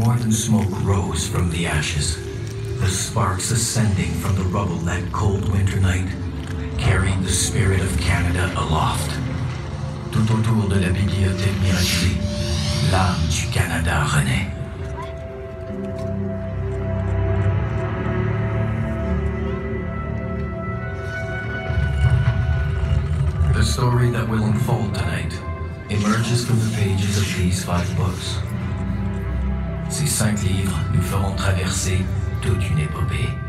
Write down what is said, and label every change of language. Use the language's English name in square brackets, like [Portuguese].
[English] Smoke rose from the ashes, the sparks ascending from the rubble that cold winter night, carrying the spirit of Canada aloft. [French] Tout autour de la bibliothèque miraculée, l'âme du Canada renaît. [English] The story that will unfold tonight emerges from the pages of these five books. [French] Ces cinq livres nous feront traverser toute une épopée.